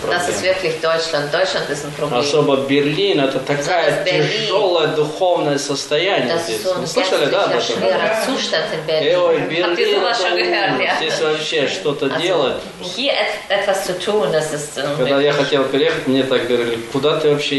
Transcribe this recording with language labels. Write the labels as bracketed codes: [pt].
[de] Das ist wirklich Deutschland. Deutschland ist ein Problem. [ru] Особо Берлин, это такая тяжелое духовное состояние здесь. Слышали, да? [de] Das ist ein schwerer Zustand in Berlin. Habt ihr sowas schon gehört, ja? [ru] Здесь вообще что-то делать. [de] Hier etwas zu tun, das ist unmöglich. [ru] Я хотел переехать, мне так говорили, куда ты вообще